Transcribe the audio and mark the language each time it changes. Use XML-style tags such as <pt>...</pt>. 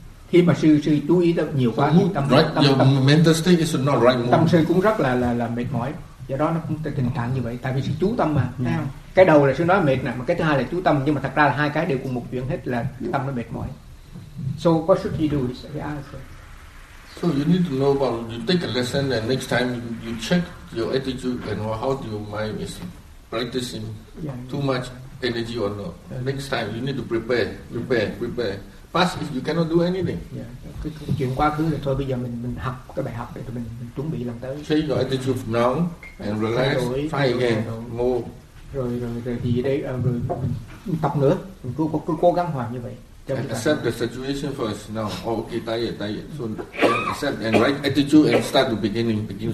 <vi>Khi mà sư chú ý được nhiều quá,</vi> <en>tâm mental state is not right.</en> <vi>Tâm sư cũng rất là mệt mỏi. Do đó nó cũng tình trạng như vậy. Tại vì sư chú tâm mà. Yeah. Cái đầu là sư nói mệt nè, mà cái thứ hai là chú tâm, nhưng mà thật ra là hai cái đều cùng một chuyện hết, là tâm nó mệt mỏi.</vi> <en>So what should he do? He asked. So you need to know about, you take a lesson and next time you check your attitude and how your mind is practicing too much energy or not. Next time you need to prepare. Past if you cannot do anything.</en> <vi>Cái chuyện quá khứ là thôi, bây giờ mình học cái bài học để mình chuẩn bị lần tới.</vi> <en>Change your attitude now and relax, try again, move.</en> <vi>Rồi tập nữa, mình cứ cố gắng hoàn như vậy.</vi> <en>Accept the situation first. Now, okay, tired. So accept and right attitude and start the beginning.</en>